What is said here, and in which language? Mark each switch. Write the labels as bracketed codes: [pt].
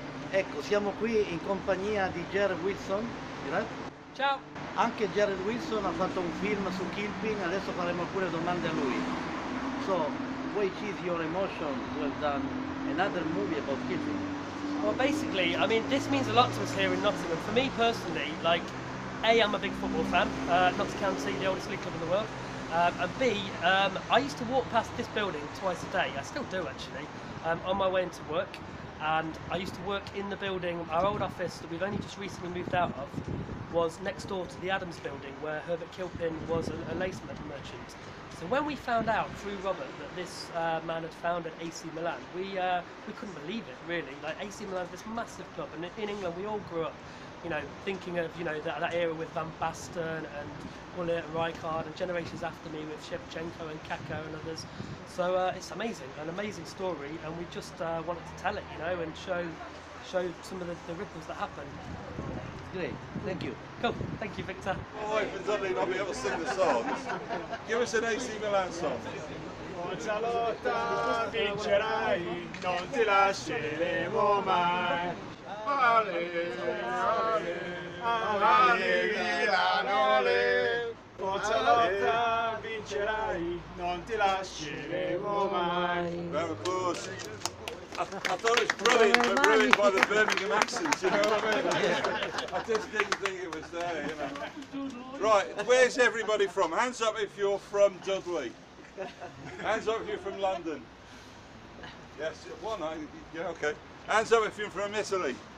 [it] Ecco, siamo qui in compagnia di Jared Wilson. Ciao! Anche Jared Wilson ha fatto un film su Kilpin, adesso faremo alcune domande a lui. [en] So, which is your emotion to have done another movie about Kilpin? Well, basically, I mean, this means a lot to us here in Nottingham. For me personally, like, A, I'm a big football fan, not to count the oldest league club in the world, and B, I used to walk past this building twice a day, I still do actually, on my way into work. And I used to work in the building. Our old office that we've only just recently moved out of was next door to the Adams building where Herbert Kilpin was a lace merchant. So when we found out through Robert that this man had founded AC Milan, we couldn't believe it really. Like AC Milan, this massive club, and in England we all grew up, you know, thinking of, you know, that era with Van Basten and Gullit and Rijkaard, and generations after me with Shevchenko and Kaká and others. So it's amazing, an amazing story, and we just wanted to tell it, you know, and show some of the ripples that happened. Great, thank you. Cool, thank you, Victor. Oh, if it's only not be able to sing the songs. Give us an AC Milan song. [it] Forza lotta, vincerai, non ti lasceremo mai. Ale, ale, ale, ale, Milano, ale. Forza lotta, vincerai, non ti lasceremo mai. [en] Round of applause. I thought it was brilliant, but brilliant by the Birmingham accent, you know what I mean? I just didn't think it was there, you know. Right, where's everybody from? Hands up if you're from Dudley. Hands up if you're from London. Yes, one, yeah, okay. Hands up if you're from Italy.